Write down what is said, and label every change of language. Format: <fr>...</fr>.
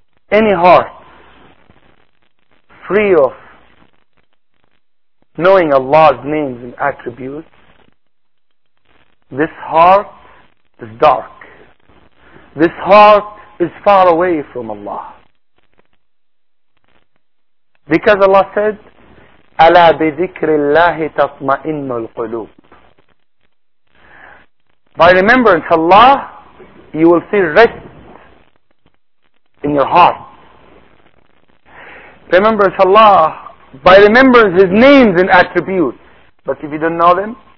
<en>Any heart free of knowing Allah's names and attributes, this heart is dark. This heart is far away from Allah. Because Allah said,</en> <ar>أَلَا بِذِكْرِ اللَّهِ تَطْمَئِنُّ الْقُلُوبِ.</ar> <en>By remembrance of Allah, you will feel rest in your heart. Remembrance Allah, by remembrance His names and attributes. But if you don't know them,</en>